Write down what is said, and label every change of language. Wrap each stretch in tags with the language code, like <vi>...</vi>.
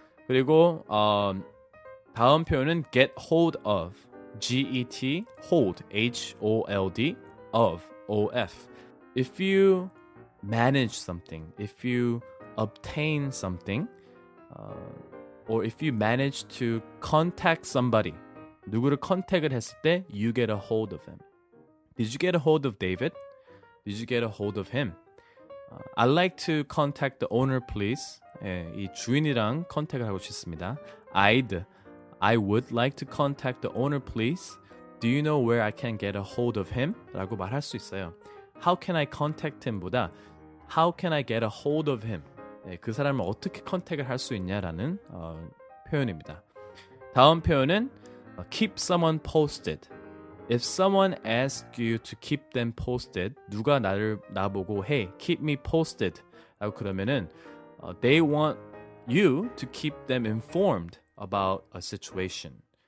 <ko>그리고 다음 표현은</ko> <en>get hold of get hold hold of of if you manage something if you obtain something or if you manage to contact somebody,</en> <ko>누구를 컨택을 했을 때</ko> <en>you get a hold of him. Did you get a hold of David? Did you get a hold of him? I'd like to contact the owner, please.</en> <ko>예, 이 주인이랑 컨택을 하고 싶습니다.</ko> <en>I would like to contact the owner, please. Do you know where I can get a hold of him?</en> <ko>라고 말할 수 있어요.</ko> <en>How can I contact him?</en> <ko>보다</ko> <en>How can I get a hold of him?</en> <ko>예, 그 사람을 어떻게 컨택을 할 수 있냐라는 표현입니다. 다음 표현은</ko> <en>keep someone posted. If someone asks you to keep them posted,</en> <ko>누가 나를 나보고</ko> <en>hey, keep me posted</en> <ko>라고 그러면은</ko> <en>they want you to keep them informed about a situation.</en>